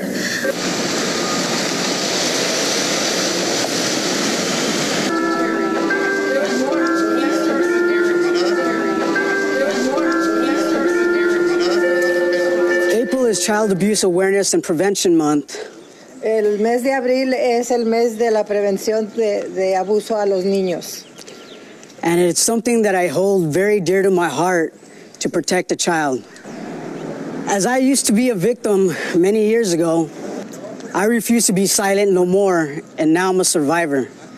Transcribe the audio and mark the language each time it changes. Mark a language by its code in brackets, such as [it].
[en] April is Child Abuse Awareness and Prevention Month. [es] El mes de abril es el mes de la prevención de abuso a los niños. [en] And it's something that I hold very dear to my heart, to protect a child. As I used to be a victim many years ago, I refuse to be silent no more, and now I'm a survivor.